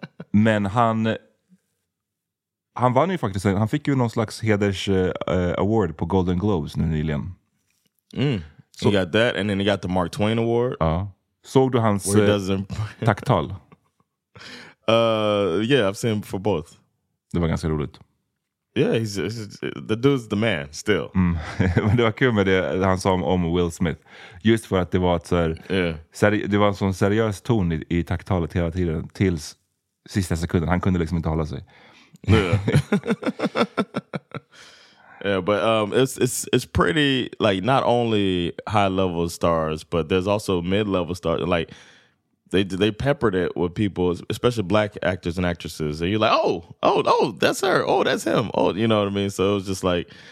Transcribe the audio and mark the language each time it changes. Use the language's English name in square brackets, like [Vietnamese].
[Swedish] men han vann ju faktiskt, han fick ju någon slags heders award på Golden Globes nu nyligen. [English] So, he got that and then he got the Mark Twain Award. [Swedish] Såg du hans tacktal? [English] Yeah, I've seen for both. [Swedish] Det var ganska roligt. [English] Yeah, he's the dude's the man still. [Swedish] Men det var kul med det han sa om Will Smith. Just för att det var ett så här, det var en sån seriös ton i tacktalet hela tiden tills sista sekunden. Han kunde liksom inte hålla sig. [English] Yeah, but it's pretty, like, not only high level stars, but there's also mid level stars. Like, they peppered it with people, especially black actors and actresses, and you're like, oh, that's her, oh, that's him, oh, you know what I mean? So it was just like